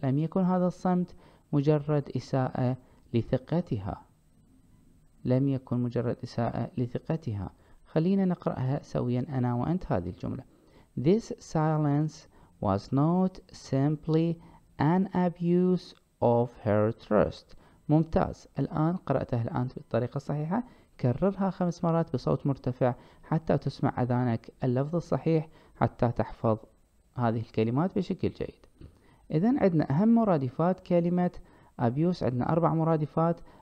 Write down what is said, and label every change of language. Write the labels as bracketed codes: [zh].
[ar] لم يكن هذا الصمت مجرد إساءة لثقتها. لم يكن مجرد إساءة لثقتها. خلينا نقرأها سويا أنا وأنت هذه الجملة: [en] This silence was not simply an abuse of her trust. [ar] ممتاز. الآن قرأتها الآن بالطريقة الصحيحة. كررها 5 مرات بصوت مرتفع حتى تسمع أذانك اللفظ الصحيح حتى تحفظ هذه الكلمات بشكل جيد. إذن عندنا أهم مرادفات كلمة abuse. عندنا 4 مرادفات.